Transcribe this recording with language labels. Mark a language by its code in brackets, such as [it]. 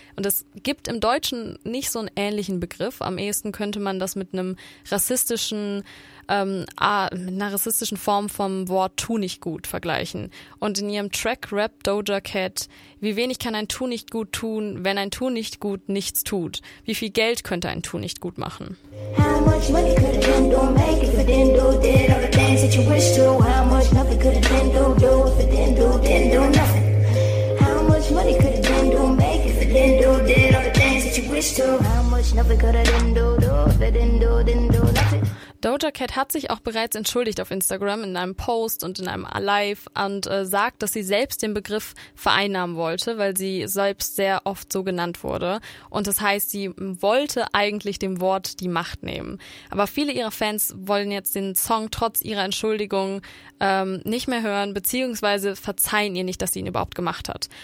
[de] Und es gibt im Deutschen nicht so einen ähnlichen Begriff. Am ehesten könnte man das mit einem rassistischen mit einer rassistischen Form vom Wort Tunichtgut vergleichen. Und in ihrem Track Rap Doja Cat, wie wenig kann ein Tunichtgut tun, wenn ein Tunichtgut nichts tut? Wie viel Geld könnte ein Tunichtgut machen? [en] How much money could a Dindo make if a Dindo did all the things that you wish to? How much nothing could a Dindo do if a Dindo didn't do nothing? How much money could a Dindo make if a Dindo did all the things that you wish to? How much nothing could a Dindo do if a Dindo didn't do nothing? [de] Doja Cat hat sich auch bereits entschuldigt auf Instagram in einem Post und in einem Live und sagt, dass sie selbst den Begriff vereinnahmen wollte, weil sie selbst sehr oft so genannt wurde. Und das heißt, sie wollte eigentlich dem Wort die Macht nehmen. Aber viele ihrer Fans wollen jetzt den Song trotz ihrer Entschuldigung nicht mehr hören, beziehungsweise verzeihen ihr nicht, dass sie ihn überhaupt gemacht hat.